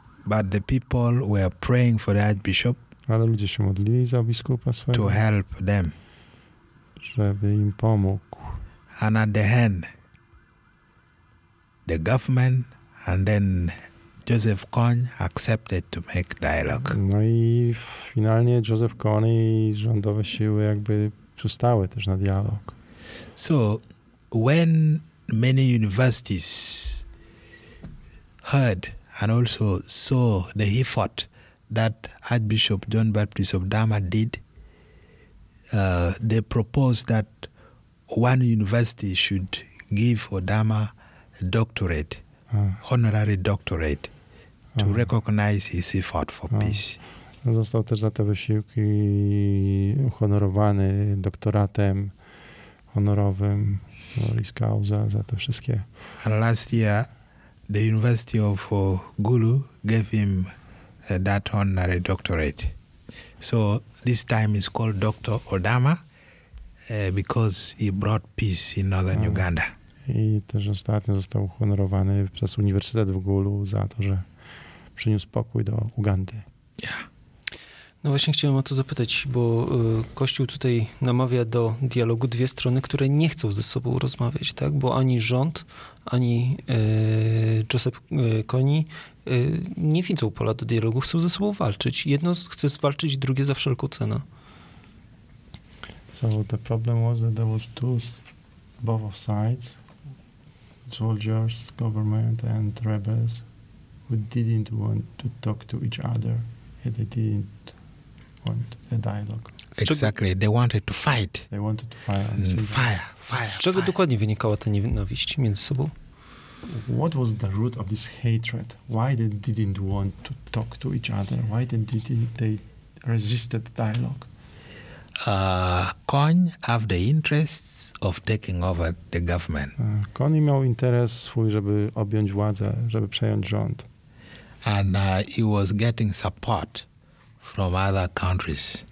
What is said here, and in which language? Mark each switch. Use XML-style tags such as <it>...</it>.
<en>But the people were praying for the Archbishop.</en> <pl>Ale ludzie się modlili za biskupa swojego.</pl> <en>To help them.</en> <pl>Żeby im pomógł.</pl> <en>And at the end, the government and then Joseph Kony accepted to make dialogue.</en> <pl>No i finalnie Joseph Kony i rządowe siły jakby przystały też na dialog.</pl> <en>So, when many universities heard and also saw the effort that Archbishop John Baptist of Dama did, they proposed that one university should give Odama a doctorate, honorary doctorate, to recognize his effort for peace.</en> <pl>Został też za te wysiłki uhonorowany doktoratem honorowym honoris causa za te wszystkie.</pl> <en>And last year, the University of Gulu gave him that honorary doctorate. So this time is called Dr. Odama because he brought peace in northern Uganda.</en> <pl>I też ostatnio został uhonorowany przez Uniwersytet w Gulu za to, że przyniósł pokój do Ugandy.</pl> <en>Yeah.</en> <pl>No właśnie chciałem o to zapytać, bo Kościół tutaj namawia do dialogu dwie strony, które nie chcą ze sobą rozmawiać, tak? Bo ani rząd, ani Joseph Kony nie widzą pola do dialogu, chcą ze sobą walczyć. Jedno chce walczyć, drugie za wszelką cenę.</pl> <en>So the problem was that there was two, both of sides, soldiers, government and rebels, who didn't want to talk to each other, and they didn't a dialogue. Exactly. They wanted to fight. They wanted to fire. Fire.</en> <pl>Z czego dokładnie wynikała ta nienawiść między sobą?</pl> <en>What was the root of this hatred? Why they didn't want to talk to each other? Why they resisted dialogue? Kony have the interests of taking over the government.</en> <pl>Kony miał interes swój, żeby objąć władzę, żeby przejąć rząd.</pl> <en>And he was getting support from other countries.</en>